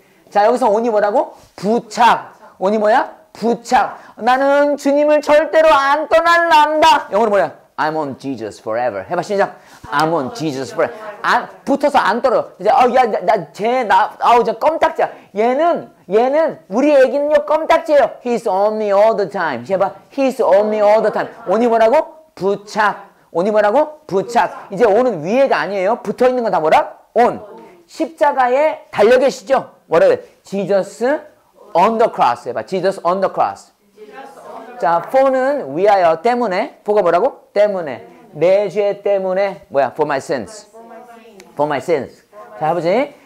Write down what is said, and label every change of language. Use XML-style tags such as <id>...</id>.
<ko>자, 여기서 on이 뭐라고? 부착. on이 뭐야? 부착. 나는 주님을 절대로 안 떠날란다. 영어로 뭐야?</ko> <en>I'm on Jesus forever.</en> <ko>해봐, 시작.</ko> <en>I'm on Jesus forever.</en> <ko>안, 붙어서 안 떨어. 이제, 쟤 껌딱지야. 얘는, 우리 애기는요, 껌딱지예요.</ko> <en>He's on me all the time.</en> <ko>해봐,</ko> <en>He's on me all the time.</en> <ko>on이 뭐라고? 부착. 온이 뭐라고? 부착. 이제 온은 위에가 아니에요. 붙어 있는 건 다 뭐라? 온. 십자가에 달려 계시죠? 뭐라 그래?</ko> <en>Jesus on the cross.</en> <ko>해봐.</ko> <en>Jesus on the cross.</en> <ko>자, for는 위하여 때문에. for가 뭐라고? 때문에. 내 죄 때문에. 뭐야?</ko> <en>For my sins. For my sins.</en> <ko>자, 아버지.</ko>